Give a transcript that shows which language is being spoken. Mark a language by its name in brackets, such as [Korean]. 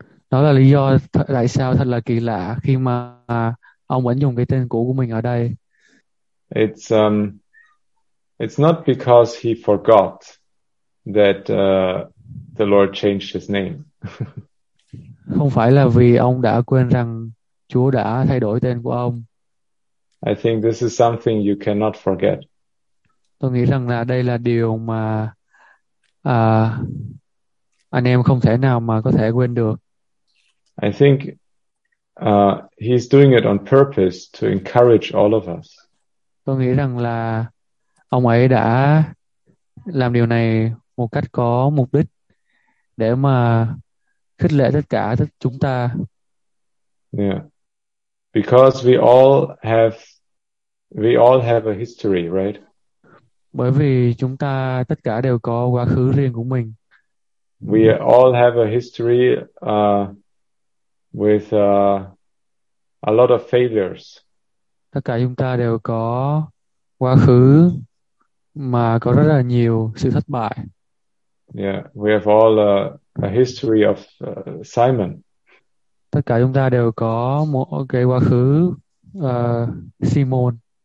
[Vietnamese] Đó là lý do tại sao thật là kỳ lạ khi mà ông vẫn dùng cái tên cũ của mình ở đây. [English] It's not because he forgot that the Lord changed his name. [Vietnamese] Không phải là vì ông đã quên rằng Chúa đã thay đổi tên của ông. [English] I think this is something you cannot forget. [Vietnamese] Tôi nghĩ rằng là đây là điều mà anh em không thể nào mà có thể quên được. [English] I think he's doing it on purpose to encourage all of us. [Vietnamese] Tôi nghĩ rằng là ông ấy đã làm điều này một cách có mục đích để mà khích lệ tất cả chúng ta. [English] Yeah. Because we all have a history, right? [Vietnamese] Bởi vì chúng ta tất cả đều có quá khứ riêng của mình. [English] We all have a history with a lot of failures. [Vietnamese] Tất cả chúng ta đều có quá khứ mà có rất là nhiều sự thất bại. [English] Yeah, we have all a history of Simon. [Vietnamese] Tất cả chúng ta đều có một cái quá khứ Simon.